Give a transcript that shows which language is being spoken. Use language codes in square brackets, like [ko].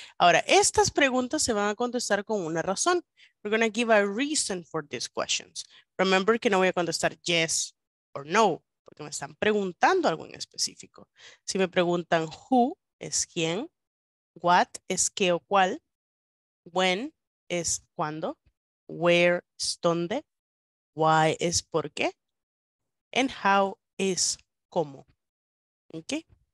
[es] Ahora, estas preguntas se van a contestar con una razón. [en] We're going to give a reason for these questions. [es] Remember que no voy a contestar [en] yes or no, [es] porque me están preguntando algo en específico. Si me preguntan who, es quién. What, es qué o cuál. When, es cuándo. Where, es dónde. Why, es por qué. [en] And how, [es] es cómo. ¿Ok?